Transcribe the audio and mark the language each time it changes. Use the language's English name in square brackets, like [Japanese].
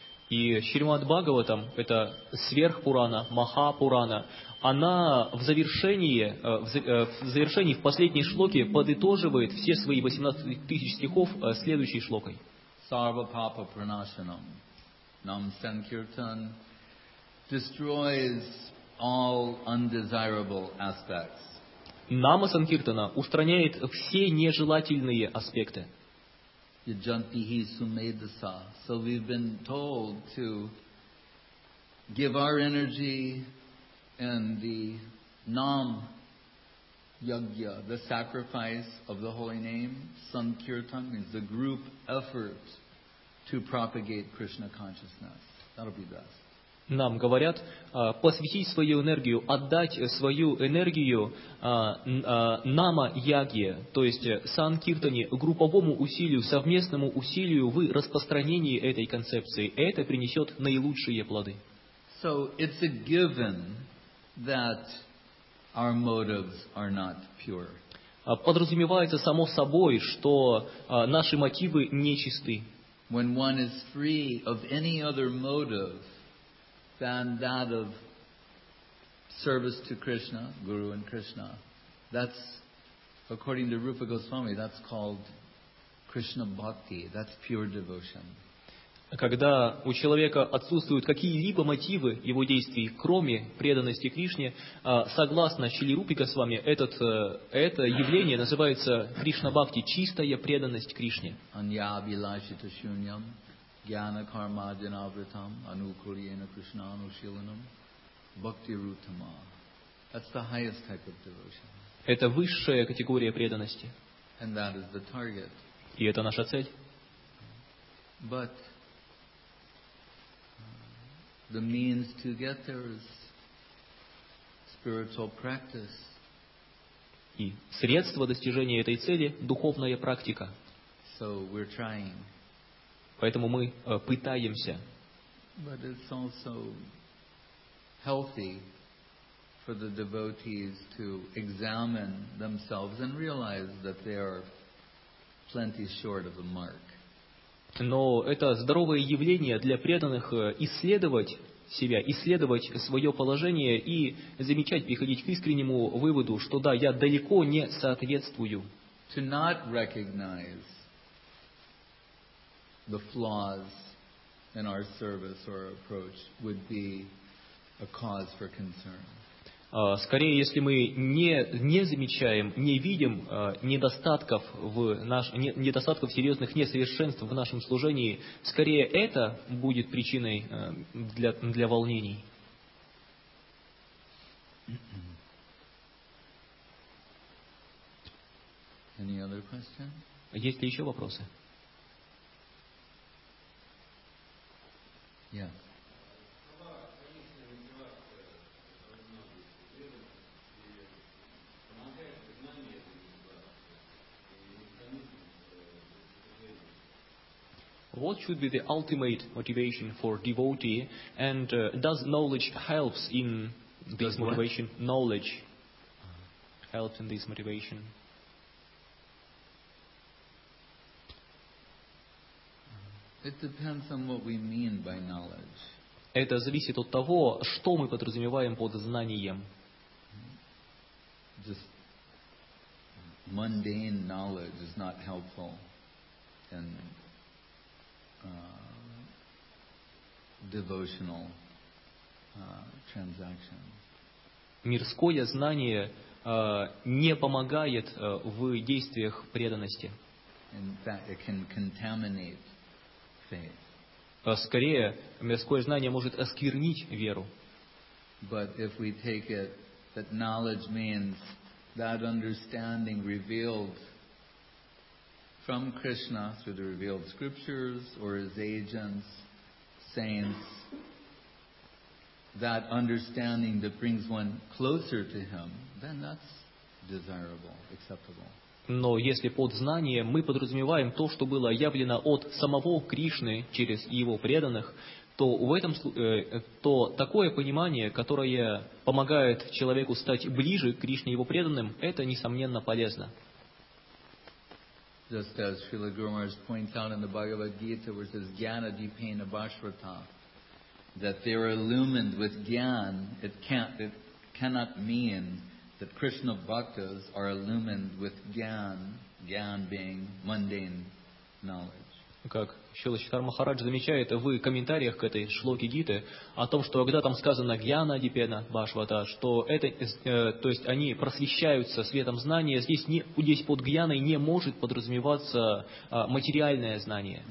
[Russian] И Шримад Бхагаватам, это сверхпурана, Махапурана, она в завершении, в последней шлоке подытоживает все свои 18 тысяч стихов следующей шлокой. [Sanskrit] Sarva Papa Pranasanam Nam Sankirtan [English] destroys all undesirable aspects. [Russian] Нама Санкиртана устраняет все нежелательные аспекты. [Sanskrit] Yajantihi Sumedasa. [English] So we've been told to give our energy and the Nam Yajna, the sacrifice of the holy name, Sankirtan means the group effort to propagate Krishna consciousness. That'll be best. [Russian] Нам говорят, посвятить свою энергию, отдать свою энергию нама-яге, то есть санкиртане, групповому усилию, совместному усилию в распространении этой концепции. Это принесет наилучшие плоды. [English] So it's a given that our motives are not pure. [Russian] Подразумевается само собой, что наши мотивы нечисты. [English] When one is free of any other motive than that of service to Krishna, Guru and Krishna. That's, according to Rupa Goswami, that's called Krishna Bhakti. That's pure devotion. [Russian] Когда у человека отсутствуют какие-либо мотивы его действий, кроме преданности Кришне, согласно Шили Рупи Госвами, это явление называется Кришна Бхакти, чистая преданность Кришне. [Sanskrit] Анья вилашита шуньям. Jnana karma janavritam anukuryena krishna anushilanam bhakti rutama. [English] That's the highest type of devotion. [Russian] Это высшая категория преданности. [English] And that is the target. [Russian] И это наша цель. [English] But the means to get there is spiritual practice. [Russian] И средство достижения этой цели – духовная практика. [English] So we're trying. [Russian] Поэтому мы пытаемся. [English] But it's also healthy for the devotees to examine themselves and realize that they are plenty short of the mark. [Russian] Но это здоровое явление для преданных исследовать себя, исследовать свое положение и замечать, приходить к искреннему выводу, что да, я далеко не соответствую. [English] To not recognize the flaws in our service or approach would be a cause for concern. [Russian] Скорее, если мы не замечаем, не видим недостатков серьезных несовершенств в нашем служении, скорее это будет причиной для волнений. [English] Any other question? [Russian] Есть ли еще вопросы? [English] Yeah. What should be the ultimate motivation for devotee, and does knowledge helps in this does motivation? What? Knowledge helps in this motivation. It depends on what we mean by knowledge. [Russian] Это зависит от того, что мы подразумеваем под знанием. [English] Just mundane knowledge is not helpful in devotional transactions. [Russian] Мирское знание не помогает в действиях преданности. [English] In fact, it can contaminate. [Russian] Скорее, мирское знание может осквернить веру. [English] But if we take it that knowledge means that understanding revealed from Krishna through the revealed scriptures or his agents, saints, that understanding that brings one closer to him, then that's desirable, acceptable. [Russian] Но если под знанием мы подразумеваем то, что было явлено от самого Кришны через его преданных, то в этом то такое понимание, которое помогает человеку стать ближе к Кришне и его преданным, это несомненно полезно. [English] Just as Srila Guru Maharaj points out in the Bhagavad Gita, where it says [Sanskrit] Jnana Dipena Bhashvatam, [English] that they are illumined with Jnana, it cannot mean that Krishna Bhaktas are illumined with Jnana, Jnana being mundane knowledge. [Russian] Как Шрила Чайтанья Махарадж замечает в комментариях к этой шлоке Гиты о том, что когда там сказано [Sanskrit] «гьяна дипена башвата», [Russian] что это, то есть они просвещаются светом знания, здесь под гьяной не может подразумеваться материальное знание.